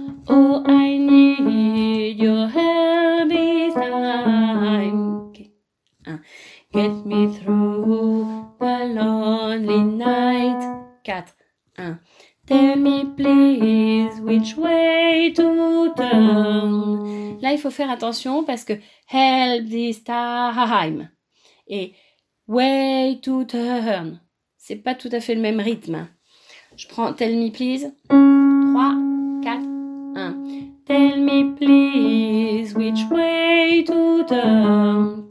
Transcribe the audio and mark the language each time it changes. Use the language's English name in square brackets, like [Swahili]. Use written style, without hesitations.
[English] Oh, I need your help this time. Okay. 1. Get me through the lonely night. 4, 1. Tell me please which way to turn. [French] Là, il faut faire attention parce que help this time et way to turn, c'est pas tout à fait le même rythme. Je prends [English] tell me please. [French] 3, 4, 1. [English] Tell me please which way to turn.